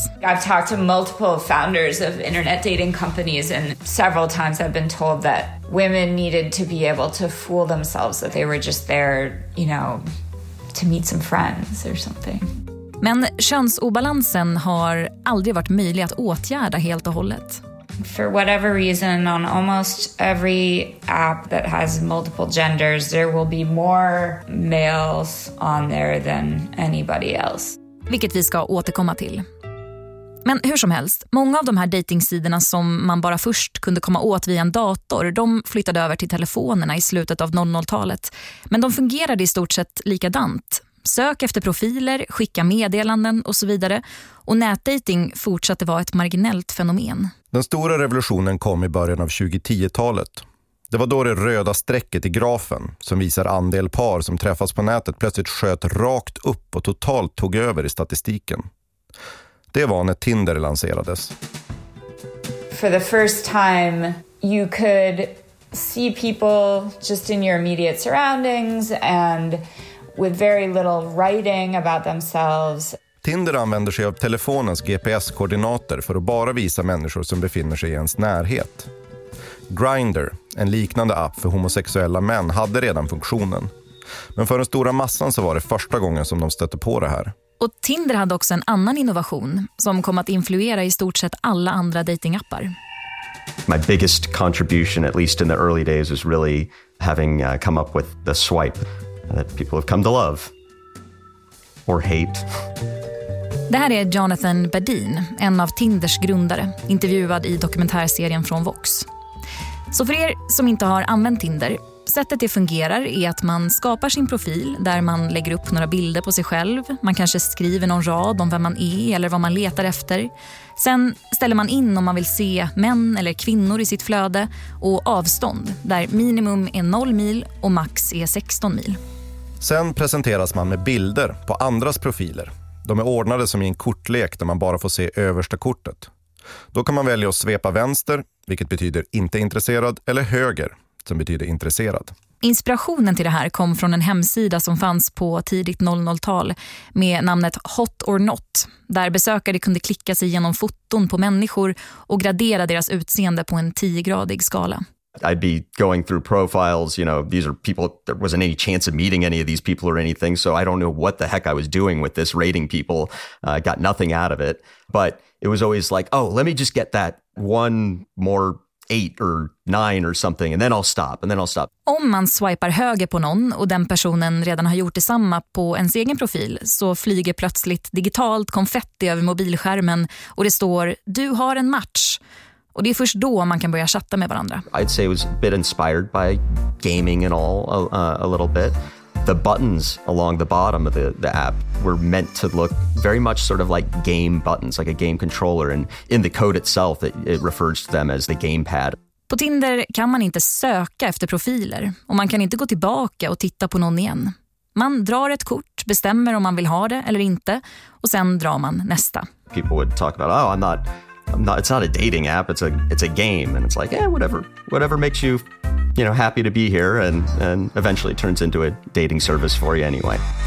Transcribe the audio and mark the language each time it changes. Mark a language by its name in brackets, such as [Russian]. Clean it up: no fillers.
[English] I've talked to multiple founders of internet dating companies and several times I've been told that women needed to be able to fool themselves that they were just there, you know, to meet some friends or something. [Swedish] Men könsobalansen har aldrig varit möjlig att åtgärda helt och hållet. [English] For whatever reason, on almost every app that has multiple genders, there will be more males on there than anybody else. [Swedish] Vilket vi ska återkomma till. Men hur som helst, många av de här dejtingsidorna som man bara först kunde komma åt via en dator, de flyttade över till telefonerna i slutet av 00-talet. Men de fungerade i stort sett likadant. Sök efter profiler, skicka meddelanden och så vidare. Och nätdating fortsatte vara ett marginellt fenomen. Den stora revolutionen kom i början av 2010-talet. Det var då det röda strecket i grafen som visar andel par som träffas på nätet plötsligt sköt rakt upp och totalt tog över i statistiken. Det var när Tinder lanserades. [English] For the first time you could see people just in your immediate surroundings and with very little writing about themselves. [Swedish] Tinder använder sig av telefonens GPS-koordinater för att bara visa människor som befinner sig i ens närhet. Grindr, en liknande app för homosexuella män, hade redan funktionen. Men för den stora massan så var det första gången som de stötte på det här. Och Tinder hade också en annan innovation som kom att influera i stort sett alla andra datingappar. [English] My biggest contribution, at least in the early days, was really having come up with the swipe that people have come to love or hate. [Swedish] Det här är Jonathan Berdin, en av Tinders grundare, intervjuad i dokumentärserien från Vox. Så för er som inte har använt Tinder, sättet det fungerar är att man skapar sin profil där man lägger upp några bilder på sig själv. Man kanske skriver någon rad om vem man är eller vad man letar efter. Sen ställer man in om man vill se män eller kvinnor i sitt flöde och avstånd, där minimum är 0 mil och max är 16 mil. Sen presenteras man med bilder på andras profiler. De är ordnade som i en kortlek där man bara får se översta kortet. Då kan man välja att svepa vänster, vilket betyder inte intresserad, eller höger, som betyder intresserad. Inspirationen till det här kom från en hemsida som fanns på tidigt 00-tal med namnet Hot or Not, där besökare kunde klicka sig genom foton på människor och gradera deras utseende på en 10-gradig skala. [English] I'd be going through profiles, you know, these are people, there wasn't any chance of meeting any of these people or anything, so I don't know what the heck I was doing with this, rating people, got nothing out of it, but it was always like, oh, let me just get that one more 8 or 9 or something, and then I'll stop, and then I'll stop. [Swedish] Om man swipar höger på någon och den personen redan har gjort detsamma på ens egen profil, så flyger plötsligt digitalt konfetti över mobilskärmen och det står, du har en match. Och det är först då man kan börja chatta med varandra. [English] I'd say it was a bit inspired by gaming and all a little bit. The buttons along the bottom of the app were meant to look very much sort of like game buttons, like a game controller. And in the code itself, it refers to them as the gamepad. [Swedish] På Tinder kan man inte söka efter profiler och man kan inte gå tillbaka och titta på någon igen. Man drar ett kort, bestämmer om man vill ha det eller inte och sen drar man nästa. [English] People would talk about, oh, it's not a dating app, it's a game, and it's like, yeah, whatever makes you, you know, happy to be here, and eventually it turns into a dating service for you anyway.